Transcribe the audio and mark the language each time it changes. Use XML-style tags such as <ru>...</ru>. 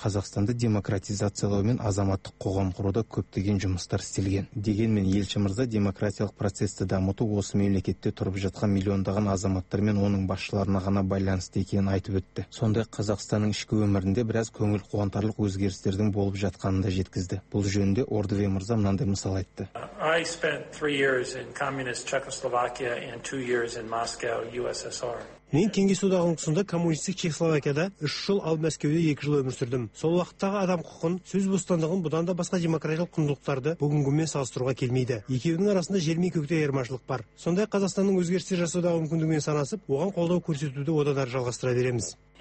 <kk>Қазақстанды демократизациялау мен азаматтық қоғам құруда көптеген жұмыстар істелген. Дегенмен елші мырза демократиялық процесті дамыту осы мемлекетте тұрып жатқан миллиондаған азаматтар мен оның басшылары ғана байланысты екенін айтып өтті. Сонда Қазақстанның ішкі өмірінде біраз көңіл қуантарлық өзгерістердің болып жатқанын да жеткізді. Бұл жөнінде Ордвей мырза мынандай мысал айтты.</kk> <en>I spent 3 years in communist Czechoslovakia and 2 years in Moscow, USSR.</en> <kk>Мен Кеңес одағының тұсында коммунистік Чехословакияда 3 жыл, ал Мәскеуде 2 жыл өмір сүрдім. Сол уақыттағы адам құқын, сөз бостандығын бұдан да басқа демократиялық құндылықтарды бүгінгімен салыстыруға келмейді. Екеуінің арасында жер мен көктей айырмашылық бар. Сонда Қазақстанның өзгерістер жасаудағы мүмкіндігімен санасып, оған қолдау көрсетуді одан әрі жалғастыра береміз.</kk>